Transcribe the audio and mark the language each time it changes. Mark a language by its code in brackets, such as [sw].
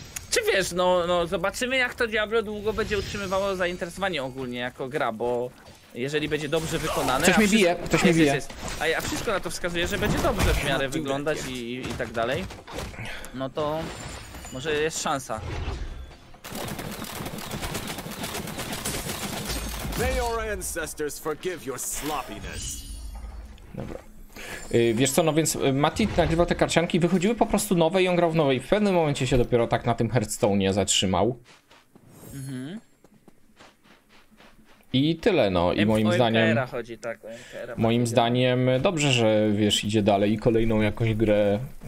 [pl] Czy wiesz, no zobaczymy, jak to Diablo długo będzie utrzymywało zainteresowanie ogólnie jako gra, bo jeżeli będzie dobrze wykonane... Ktoś mnie bije, ktoś mnie bije. A wszystko na to wskazuje, że będzie dobrze w miarę wyglądać i tak dalej, no to może jest szansa. [en] May your ancestors forgive your sloppiness. [pl] Dobra. Wiesz co, no więc Mati nagrywał te karcianki, wychodziły po prostu nowe i on grał w nowej. W pewnym momencie się dopiero tak na tym Hearthstone'ie zatrzymał. Mhm. I tyle, no. I moim zdaniem... OMKR-a chodzi, tak. OMKR-a moim zdaniem dobrze, że wiesz, idzie dalej i kolejną jakąś grę...